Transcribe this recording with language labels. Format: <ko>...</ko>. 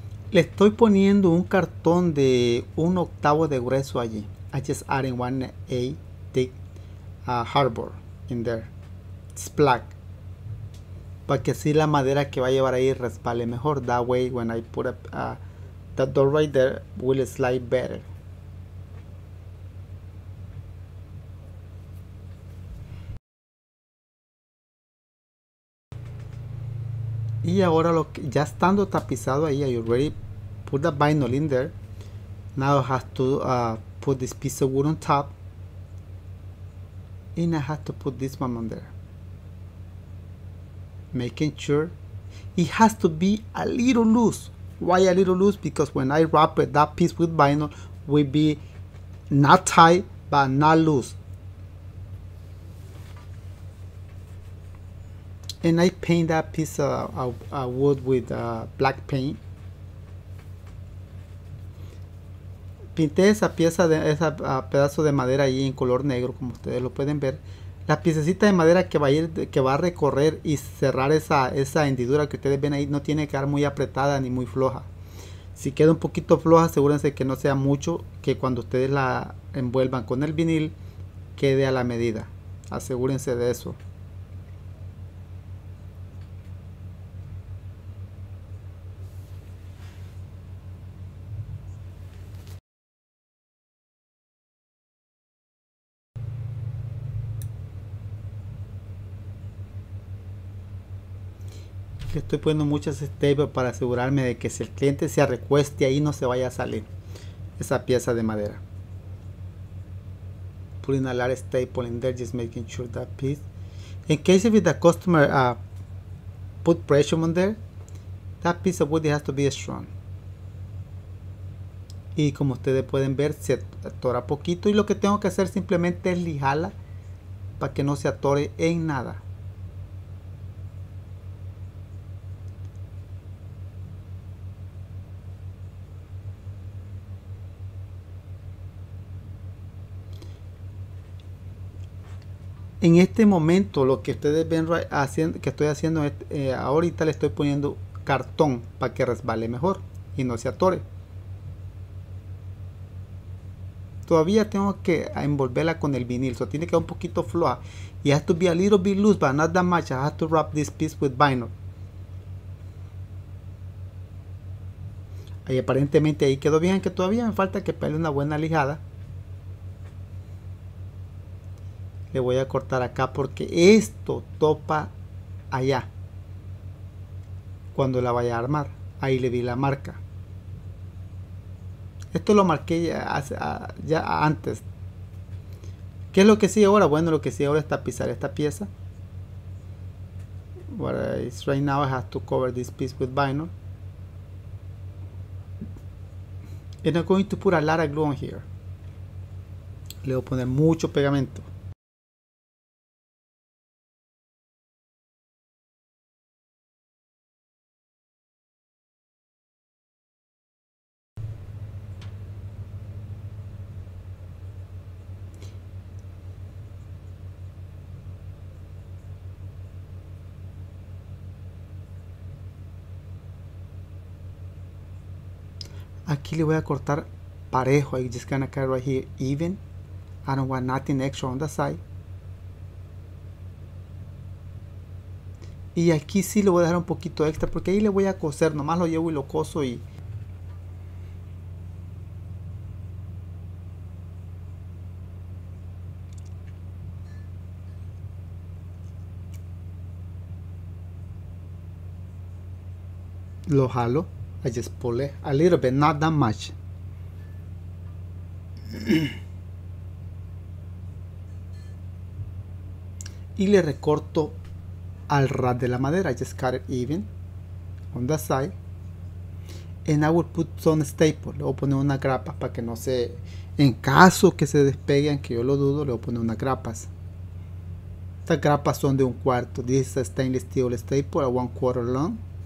<es>Le estoy poniendo un cartón de un octavo de grueso allí.</es> <en>I just adding 1/8 thick hardboard in there. It's black.</en> <es>Para que así la madera que va a llevar ahí respale mejor.</es> <en>That way when I put up that door right there will slide better.</en> <es>Y ahora lo que, ya estando tapizado ahí,</es> <en>you already put the vinyl in there. Now I have to put this piece of wood on top. And I have to put this one on there. Making sure it has to be a little loose. Why a little loose? Because when I wrap it, that piece with vinyl will be not tight, but not loose. And I paint that piece of wood with black paint.</en> <es>Pinté esa pieza de esa pedazo de madera ahí en color negro, como ustedes lo pueden ver. La piececita de madera que va a ir, que va a recorrer y cerrar esa hendidura que ustedes ven ahí, no tiene que quedar muy apretada ni muy floja. Si queda un poquito floja, asegúrense que no sea mucho, que cuando ustedes la envuelvan con el vinil quede a la medida. Asegúrense de eso. Estoy poniendo muchas staples para asegurarme de que si el cliente se recueste ahí no se vaya a salir esa pieza de madera.</es> <en>Putting a lot of staple in there, just making sure that piece. In case if the customer put pressure on there, that piece of wood has to be strong.</en> <es>Y como ustedes pueden ver, se atora poquito y lo que tengo que hacer simplemente es lijarla para que no se atore en nada. En este momento lo que ustedes ven haciendo, que estoy haciendo es, ahorita le estoy poniendo cartón para que resbale mejor y no se atore. Todavía tengo que envolverla con el vinil, so tiene que quedar un poquito floja.</es> <en>It has to be a little bit loose, but not that much. I have to wrap this piece with vinyl.</en> <es>Ahí aparentemente ahí quedó bien, que todavía me falta que pegue una buena lijada. Le voy a cortar acá porque esto topa allá cuando la vaya a armar. Ahí le di la marca. Esto lo marqué ya antes. ¿Qué es lo que sigue ahora? Bueno, lo que sigue ahora es tapizar esta pieza.</es> <en>What is right now, I have to cover this piece with vinyl. And I'm going to put a lot of glue on here.</en> <es>Le voy a poner mucho pegamento. Aquí le voy a cortar parejo.</es> <en>I'm just gonna cut right here even. I don't want nothing extra on the side.</en> <es>Y aquí sí le voy a dejar un poquito extra porque ahí le voy a coser. Nomás lo llevo y lo coso y... Lo jalo.</es> <en>I just pull it a little bit, not that much.</en> <es>Y le recorto al ras de la madera.</es> <en>I just cut it even on the side. And I will put some staple.</en> <es>Le voy a poner una grapa para que no se... En caso que se despeguen, que yo lo dudo, le voy a poner unas grapas. Estas grapas son de 1/4.</es> <en>This is a stainless steel staple, a 1/4 long.</en>